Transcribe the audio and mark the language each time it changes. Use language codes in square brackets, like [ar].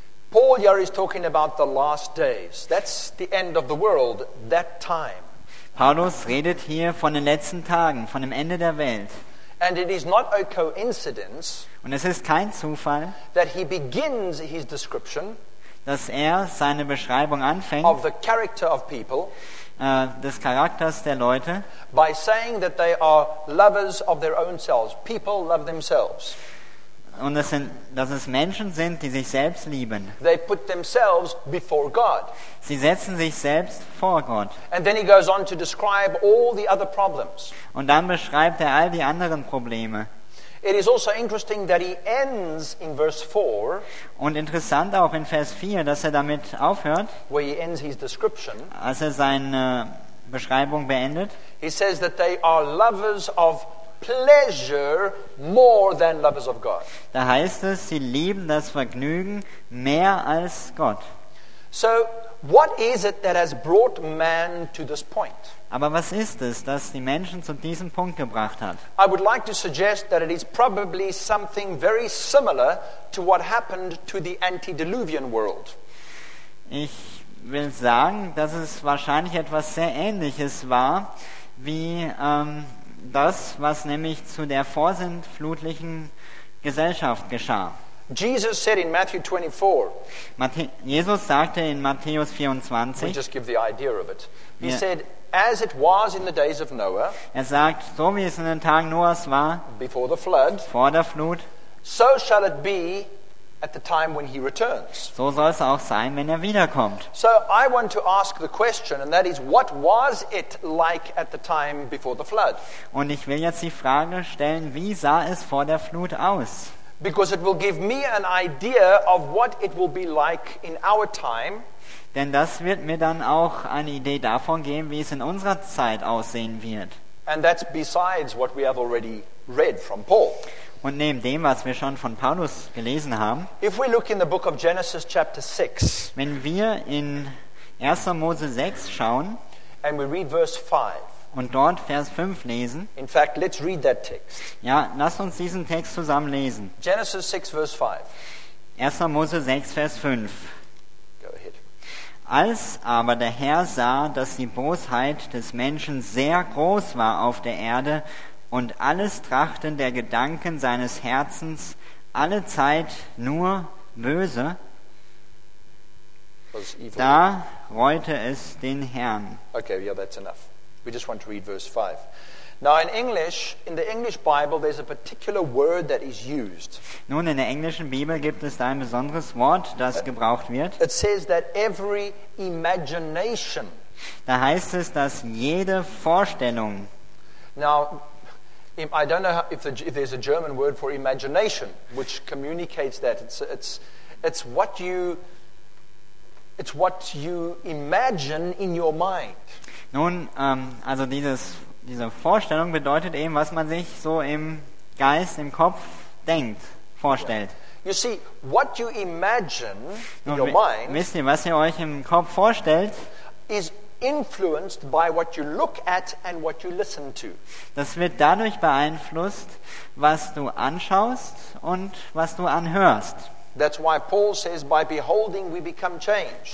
[en] Paul here is talking about the last days. That's the end of the world, that time. [de] Paulus redet hier von den letzten Tagen, von dem Ende der Welt. [en] And it is not a coincidence, [de] und es ist kein Zufall, [en] that he begins his description, [de] dass er seine Beschreibung anfängt, [en] of the character of people, [de] des Charakters der Leute, [en] by saying that they are lovers of their own selves. People love themselves. [de] Und es sind, dass es Menschen sind, die sich selbst lieben. [en] They put themselves before God. [de] Sie setzen sich selbst vor Gott. [en] And then he goes on to describe all the other problems. [de] Und dann beschreibt er all die anderen Probleme. [en] It is also interesting that he ends in verse 4. [de] Und interessant auch in Vers 4, dass er damit aufhört. [en] Where he ends his description. [de] Als er seine Beschreibung beendet. [en] He says that they are lovers of pleasure more than lovers of God. [de] Da heißt es, sie lieben das Vergnügen mehr als Gott. [en] So, what is it that has brought man to this point? [de] Aber was ist es, das die Menschen zu diesem Punkt gebracht hat? [en] I would like to suggest that it is probably something very similar to what happened to the antediluvian world. [de] Ich will sagen, dass es wahrscheinlich etwas sehr Ähnliches war, wie das, was nämlich zu der vorsintflutlichen Gesellschaft geschah. [en] Jesus said in Matthew 24. [de] Jesus sagte in Matthäus 24. [en] We just give the idea of it. He said, as it was in the days of Noah. [de] Er sagt, so wie es in den Tagen Noahs war. [en] Before the flood. [de] Vor der Flut. [en] So shall it be at the time when he returns. [de] So soll es auch sein, wenn er wiederkommt. [en] So I want to ask the question, and that is, what was it like at the time before the flood? [de] Und ich will jetzt die Frage stellen, wie sah es vor der Flut aus? [en] Because it will give me an idea of what it will be like in our time. [de] Denn das wird mir dann auch eine Idee davon geben, wie es in unserer Zeit aussehen wird. [en] And that's besides what we have already read from Paul. [de] Und neben dem, was wir schon von Paulus gelesen haben. [en] If we look in the book of Genesis chapter 6. [de] Wenn wir in 1. Mose 6 schauen. [en] And we read verse 5. [de] Und dort Vers 5 lesen. [en] In fact, let's read that text. [de] Ja, lass uns diesen Text zusammen lesen. [en] Genesis 6, verse 5. [de] 1. Mose 6, Vers 5. [en] Go ahead. [de] Als aber der Herr sah, dass die Bosheit des Menschen sehr groß war auf der Erde und alles Trachten der Gedanken seines Herzens alle Zeit nur böse, da reute es den Herrn. [en] Okay, yeah, that's enough. We just want to read verse 5. Now in English, in the English Bible, there's a particular word that is used. [de] Nun, in der englischen Bibel gibt es da ein besonderes Wort, das gebraucht wird. [en] It says that every imagination. [de] Da heißt es, dass jede Vorstellung. [en] Now, I don't know if there's a German word for imagination, which communicates that. It's what you imagine in your mind. [de] Nun, also diese Vorstellung bedeutet eben, was man sich so im Geist, im Kopf denkt, vorstellt. [en] You see, what you imagine in your mind, [de] wisst ihr, was ihr euch im Kopf vorstellt, [en] is influenced by what you look at and what you listen to. [de] Das wird dadurch beeinflusst, was du anschaust und was du anhörst. [en] That's why Paul says, by beholding we become changed.